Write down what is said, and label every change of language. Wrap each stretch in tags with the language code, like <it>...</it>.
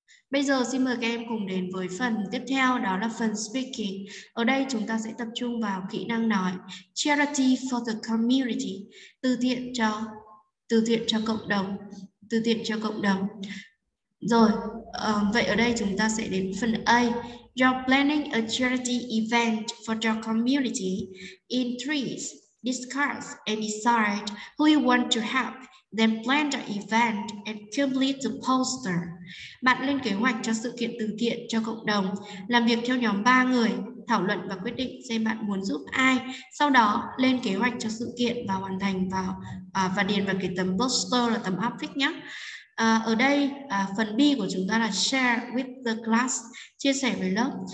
<vi>Bây giờ xin mời các em cùng đến với phần tiếp theo, đó là phần speaking. Ở đây chúng ta sẽ tập trung vào kỹ năng nói.</vi> <en>Charity for the community,</en> <vi>từ thiện cho cộng đồng. Rồi, vậy ở đây chúng ta sẽ đến phần A.</vi> <en>You're planning a charity event for your community. In threes, discuss and decide who you want to help. Then plan the event and complete the poster.</en> <vi>Bạn lên kế hoạch cho sự kiện từ thiện cho cộng đồng, làm việc theo nhóm 3 người, thảo luận và quyết định xem bạn muốn giúp ai. Sau đó lên kế hoạch cho sự kiện và hoàn thành và điền vào cái tấm poster là tấm affix nhé. Ở đây phần B của chúng ta là</vi> <en>share with the class,</en> <vi>chia sẻ với lớp.</vi>